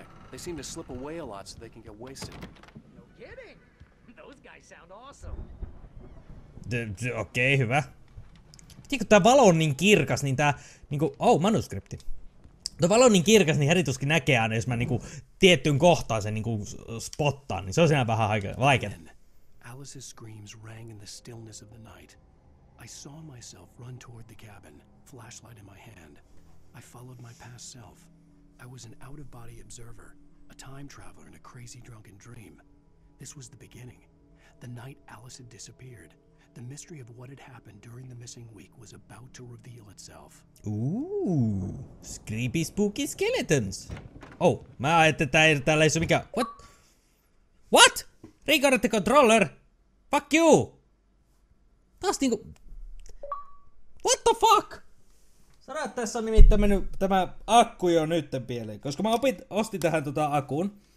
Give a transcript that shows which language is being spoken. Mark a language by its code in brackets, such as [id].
[en] They seem to slip away a lot so they can get wasted. No kidding. Those guys sound awesome. [fi] Okei, hyvä. Tiedätkö, tää valo on niin kirkas, niin tää niinku, manuskripti. Tuo valo on niin kirkas, niin herituskin näkee aina, jos mä niinku tiettyyn kohtaan sen niinku spottaan, niin se on siinä vähän vaikeaa. [en] Alice's screams rang in the stillness of the night. I saw myself run toward the cabin, flashlight in my hand. I followed my past self. I was an out-of-body observer, a time traveler in a crazy drunken dream. This was the beginning. The night Alice had disappeared, the mystery of what had happened during the missing week was about to reveal itself. Ooh, creepy spooky skeletons. [fi] Oh, mä ajattelin, että täällä ei ole mikään. [en] What? What? Rigard the controller. Fuck you. [fi] Taas niinku. [en] What the fuck? [fi] Sano, että tässä on nimittäin mennyt tämä akku jo nytten pieleen, koska mä ostin tähän akun.